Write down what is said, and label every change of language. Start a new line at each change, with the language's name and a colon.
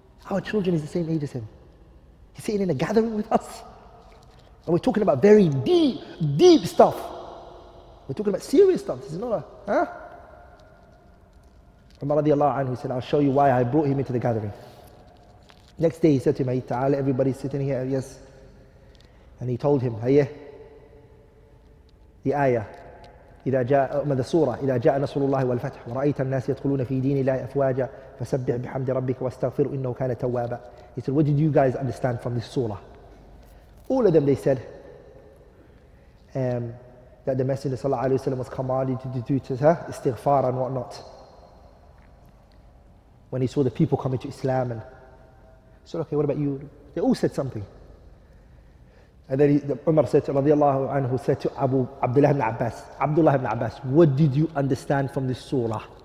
English: Our children is the same age as him. He's sitting in a gathering with us. And we're talking about very deep, deep stuff. We're talking about serious stuff. This is not a, Umar radiallahu anhu, he said, I'll show you why I brought him into the gathering. Next day he said to him, Hayy ta'ala, everybody's sitting here, yes. And he told him, Hayy, the ayah,
Arabic: إذا جاء ماذا سورة إذا جاء نصر الله والفتح ورأيت الناس يدخلون في دين الله أفواجا فسبح بحمد ربك واستغفر إنه كان توابا.
English: He said, what did you guys understand from this surah? All of them, they said that the Messenger صلى الله عليه وسلم was commanded to do istighfar and whatnot when he saw the people coming to Islam. And so, okay, what about you? They all said something. And then Umar said to رضي الله عنه, said to Abu Abdullah ibn Abbas, Abdullah ibn Abbas, what did you understand from this surah?